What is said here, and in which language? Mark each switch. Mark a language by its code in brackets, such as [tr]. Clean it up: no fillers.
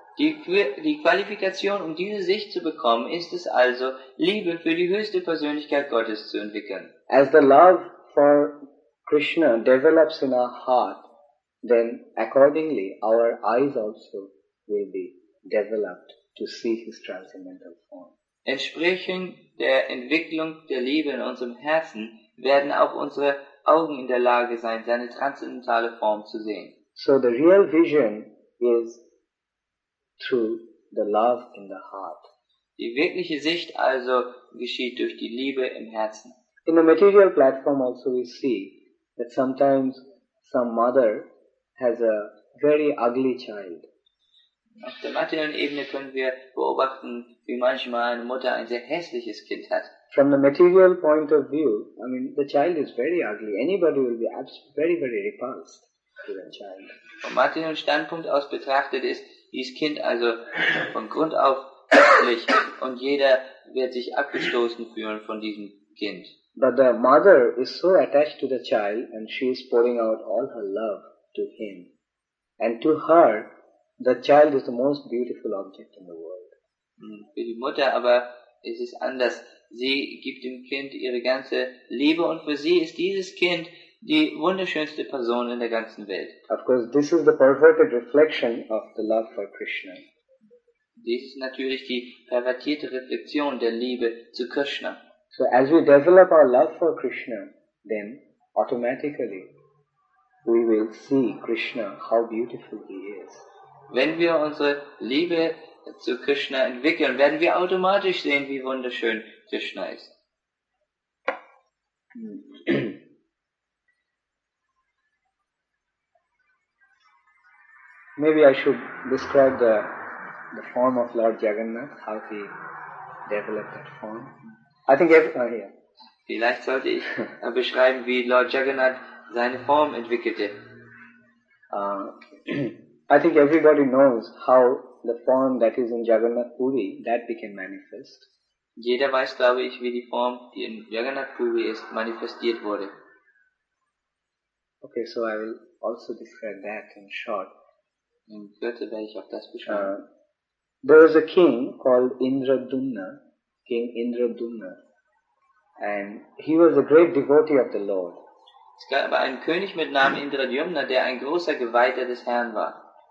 [de] Die Qualifikation, um diese Sicht zu bekommen, ist es also, Liebe für die höchste Persönlichkeit Gottes zu entwickeln. [en] As the love for Krishna develops in our heart, then accordingly our eyes also will be developed to see his transcendental form. [de] Entsprechend der Entwicklung der Liebe in unserem Herzen werden auch unsere Augen in der Lage sein, seine transzendentale Form zu sehen. [en] So the real vision is through the love in the heart. [de] Die wirkliche Sicht also geschieht durch die Liebe im Herzen. [en] In the material platform also we see that sometimes some mother has a very ugly child. [de] Auf der materiellen Ebene können wir beobachten, wie manchmal eine Mutter ein sehr hässliches Kind hat. [en] From the material point of view, I mean, the child is very ugly. Anybody will be very, very repulsed to that child. [de] Vom materiellen Standpunkt aus betrachtet ist dieses Kind also von Grund auf göttlich und jeder wird sich abgestoßen fühlen von diesem Kind. [en] But the mother is so attached to the child and she is pouring out all her love to him. And to her, the child is the most beautiful object in the world. [de] Für die Mutter aber ist es anders. Sie gibt dem Kind ihre ganze Liebe und für sie ist dieses Kind die wunderschönste Person in der ganzen Welt. [en] Of course, this is the perverted reflection of the love for Krishna. [de] Dies ist natürlich die pervertierte Reflexion der Liebe zu Krishna. [en] So as we develop our love for Krishna, then automatically we will see Krishna, how beautiful he is. [de] Wenn wir unsere Liebe zu Krishna entwickeln, werden wir automatisch sehen, wie wunderschön Krishna ist. [en] Maybe I should describe the form of Lord Jagannath, how he developed that form. I think [de] Vielleicht sollte ich beschreiben, wie Lord Jagannath seine Form entwickelte. [en] I think everybody knows how the form that is in Jagannath Puri that became manifest. [de] Jeder weiß, glaube ich, wie die Form, die in Jagannath Puri ist, manifestiert wurde. [en] Okay, so I will also describe that in short. [de] In Kürze werde ich auch das beschreiben. [en] There was a king called Indradumna. King Indradumna, and he was a great devotee of the Lord. [de] Es gab einen König mit Namen Indradumna, der ein großer Geweihter des Herrn war.